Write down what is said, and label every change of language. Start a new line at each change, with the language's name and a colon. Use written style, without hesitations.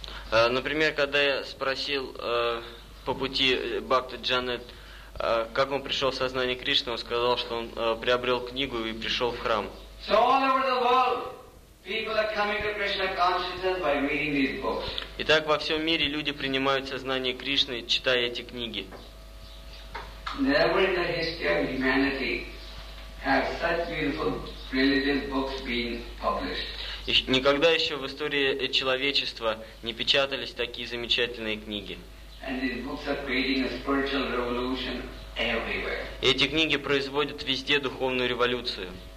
Russian: Например, когда я спросил по пути Бхакта Джанет, как он пришел в сознание Кришны, он сказал, что он приобрел книгу и пришел в храм.
English: So all over the world, people are coming to Krishna consciousness by reading these books.
Russian: Итак, во всем мире люди принимают сознание Кришны, читая эти книги.
English: Never in the history of humanity have such beautiful religious books been published.
Russian: Никогда еще в истории человечества не печатались такие замечательные книги. Эти книги производят везде духовную революцию.